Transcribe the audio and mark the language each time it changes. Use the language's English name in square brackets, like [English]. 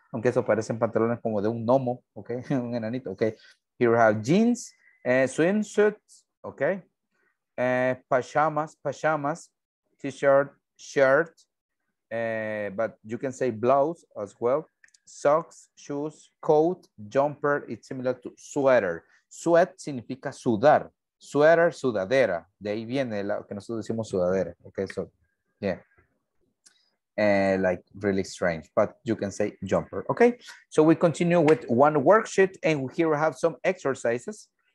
[Spanish] Aunque eso parecen pantalones como de un gnomo, okay, un enanito, okay. [English] Here we have jeans, swimsuits, okay. Pajamas, t-shirt, shirt, but you can say blouse as well. Socks, shoes, coat, jumper, it's similar to sweater. [Spanish] Sweat significa sudar. Sweater, sudadera. De ahí viene lo que nosotros decimos sudadera. [English] Okay, so, yeah. Like really strange, but you can say jumper. Okay, so we continue with one worksheet and here we have some exercises.